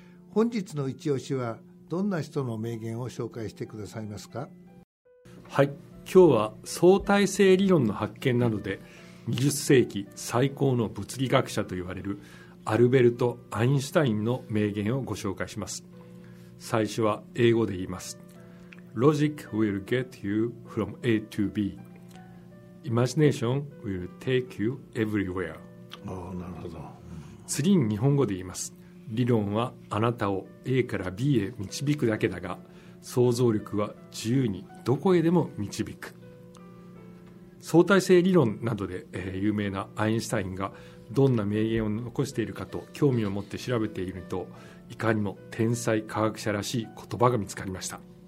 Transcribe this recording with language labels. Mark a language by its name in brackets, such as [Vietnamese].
[Japanese] 本日の一押しはどんな人の名言を紹介してくださいますか？はい、今日は相対性理論の発見などで20世紀最高の物理学者と言われるアルベルト・アインシュタインの名言をご紹介します。最初は英語で言います。 [English] Logic will get you from A to B. Imagination will take you everywhere. [Japanese] ああ、なるほど。次に日本語で言います。理論はあなたを A から B へ導くだけだが、想像力は自由にどこへでも導く。相対性理論などで、有名なアインシュタインがどんな名言を残しているかと興味を持って調べていると、いかにも天才科学者らしい言葉が見つかりました。